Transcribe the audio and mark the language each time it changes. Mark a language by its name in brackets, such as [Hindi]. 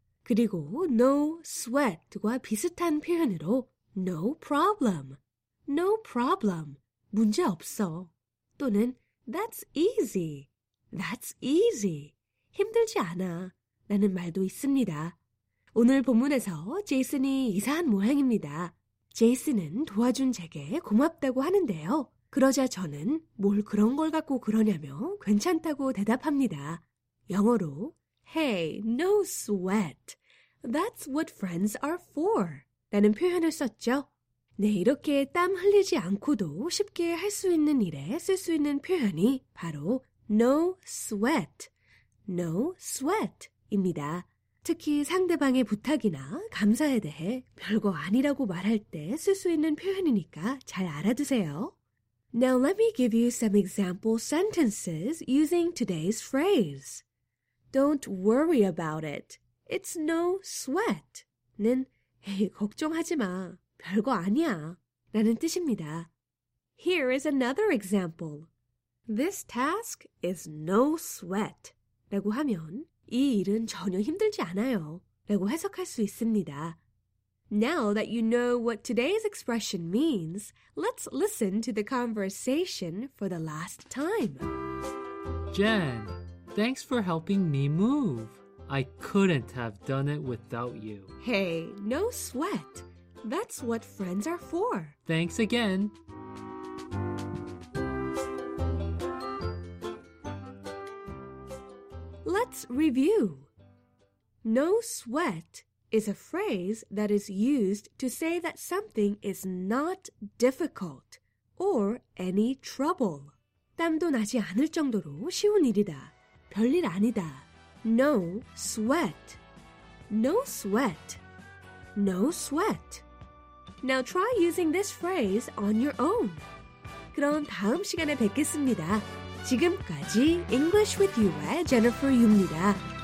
[Korean] 그리고 no sweat과 비슷한 표현으로 [English] no problem, no problem, [Korean] 문제 없어, 또는 [English] that's easy, that's easy, [Korean] 힘들지 않아 라는 말도 있습니다. 오늘 본문에서 제이슨이 이사한 모양입니다. 제이슨은 도와준 제게 고맙다고 하는데요. 그러자 저는 뭘 그런 걸 갖고 그러냐며 괜찮다고 대답합니다. [English] 영어로 Hey, no sweat. That's what friends are for. [Korean] 라는 표현을 썼죠. 네, 이렇게 땀 흘리지 않고도 쉽게 할 수 있는 일에 쓸 수 있는 표현이 바로 no sweat. No sweat 입니다. 특히 상대방의 부탁이나 감사에 대해 별거 아니라고 말할 때 쓸 수 있는 표현이니까 잘 알아두세요. [English] Now let me give you some example sentences using today's phrase. Don't worry about it. It's no sweat. [Korean] 는 에이, 걱정하지 마. 별거 아니야. 라는 뜻입니다. [English] Here is another example. This task is no sweat. [Korean] 라고 하면 이 일은 전혀 힘들지 않아요. 라고 해석할 수 있습니다. [English] Now that you know what today's expression means, let's listen to the conversation for the last time. Jen, thanks for helping me move. I couldn't have done it without you. Hey, no sweat. That's what friends are for. Thanks again. Let's review. No sweat is a phrase that is used to say that something is not difficult or any trouble. [Korean] 땀도 나지 않을 정도로 쉬운 일이다. 별일 아니다. [English] No sweat. No sweat. No sweat. Now try using this phrase on your own. [Korean] 그럼 다음 시간에 뵙겠습니다. 지금까지 English with You의 Jennifer Yu입니다.